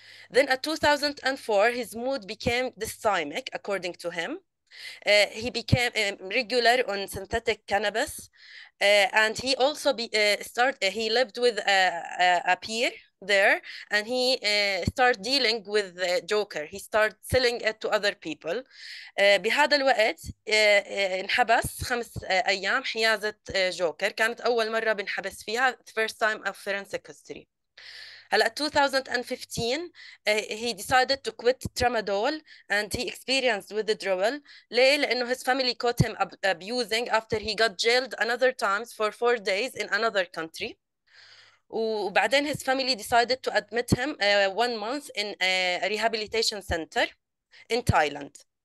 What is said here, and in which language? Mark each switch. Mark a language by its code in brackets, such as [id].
[en] Then at 2004, his mood became dysthymic, according to him. He became regular on synthetic cannabis, and he also he lived with a peer there, and he started dealing with Joker. He started selling it to other people. [ar] بهذا الوقت انحبس 5 أيام حيازة جوكر. كانت أول مرة بنحبس فيها, [en] the first time of forensic history. [ar] هلا [en] 2015 he decided to quit tramadol and he experienced withdrawal. [ar] ليه؟ لأنه [en] his family caught him abusing after he got jailed another times for 4 days in another country. [ar] وبعدين [en] his family decided to admit him 1 month in a rehabilitation center in Thailand.